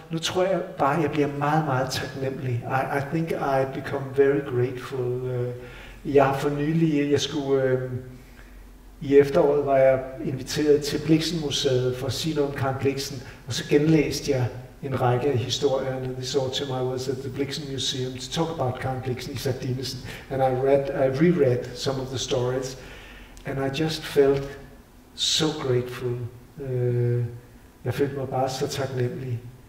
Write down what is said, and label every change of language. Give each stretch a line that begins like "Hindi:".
Danish: Nu tror jeg bare, at jeg bliver meget, meget taknemmelig.
English: I think I become very grateful.
Danish: Jeg for nylig, i efteråret var jeg inviteret til Blixenmuseet for at sige noget om Karen Blixen, og så genlæste jeg en række af historierne.
English: This autumn I was at the Blixen Museum to talk about Karen Blixen i Sardinesen, and I reread some of the stories. And I just felt so grateful.
Danish: Jeg følte mig bare så taknemmelig.